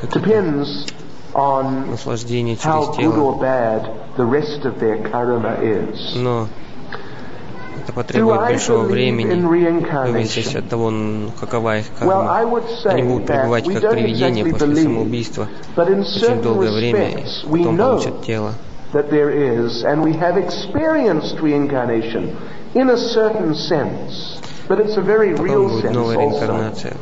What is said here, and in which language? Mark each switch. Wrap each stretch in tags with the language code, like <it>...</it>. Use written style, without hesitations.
<en>Depends on how good or bad the rest of their karma is.</en> <ru>Но это потребует большого времени, зависит от того, какова их карма.</ru> <en>Well, I would say</en> <ru>они будут пребывать как привидения после самоубийства очень долгое время, и потом получат тело.</ru> <en>That there is, and we have experienced reincarnation in a certain sense, but it's a very real sense also.</en>